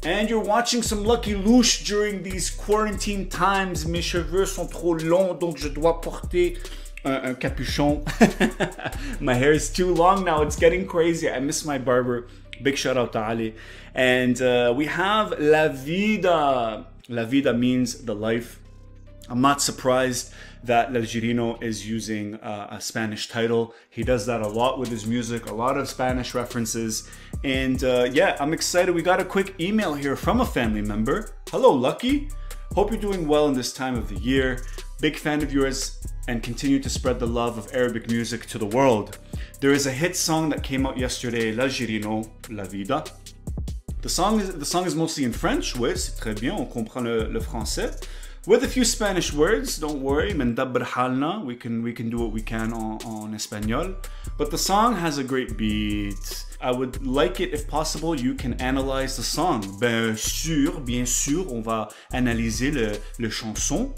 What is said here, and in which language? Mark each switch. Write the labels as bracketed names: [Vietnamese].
[English] And you're watching some Lucky Loush during these quarantine times. [French] Mes cheveux sont trop longs, donc je dois porter un capuchon. [English] My hair is too long now. It's getting crazy. I miss my barber. Big shout out to Ali. And we have La Vida. La Vida means the life. I'm not surprised that L'Algerino is using a Spanish title. He does that a lot with his music, a lot of Spanish references. And yeah, I'm excited. We got a quick email here from a family member. Hello, Lucky. Hope you're doing well in this time of the year. Big fan of yours and continue to spread the love of Arabic music to the world. There is a hit song that came out yesterday, L'Algerino, La Vida. The song is mostly in French, [French] oui, c'est très bien, on comprend le français. [English] With a few Spanish words, don't worry, [Arabic] mendabr halna, [English] we can do what we can [French] en espagnol. [English] But the song has a great beat. I would like it if possible, you can analyze the song. [French] Bien sûr, on va analyser le chanson.